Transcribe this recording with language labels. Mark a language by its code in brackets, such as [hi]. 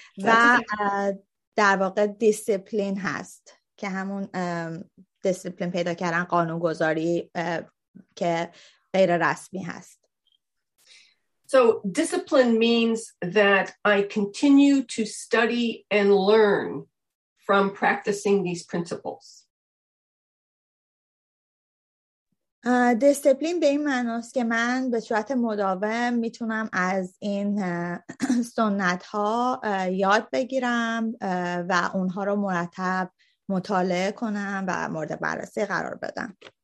[fa] و در واقع discipline هست که همون discipline پیدا کردن، قانون گذاری که غیر رسمی هست. [en] So discipline means that I continue to study and learn from practicing these principles. [fa] دیسپلین به این معناست که من به صورت مداوم میتونم از این سنت ها یاد بگیرم و اونها رو مرتب مطالعه کنم و مورد بررسی قرار بدم.